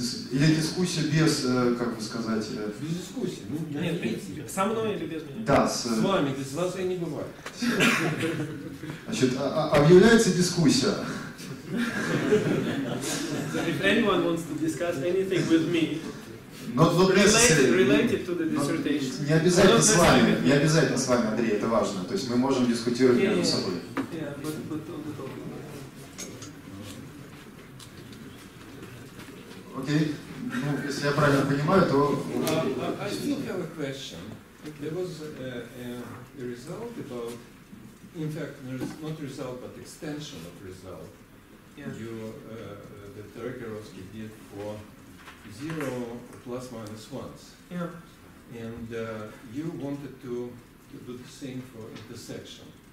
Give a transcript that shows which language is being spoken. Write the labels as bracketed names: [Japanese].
[Russian] Или дискуссия без, как бы сказать... Без дискуссии. Ну, нет, без... со мной или без меня? Да. С вами, без вас я не бываю. Значит, объявляется дискуссия. [English] If anyone wants to discuss anything with me... Not related to the dissertation. [Russian] Не обязательно с вами. Не обязательно с вами, Андрей, это важно. То есть мы можем дискутировать между собой. [English] Yeah, but okay. [Russian] Ну, если я правильно понимаю, то. [English] I still have a question. There was a result about, in fact, not result, but extension of result. Yeah. You that Rakerovsky did for zero plus minus ones. Yeah. And you wanted to do the same for intersection.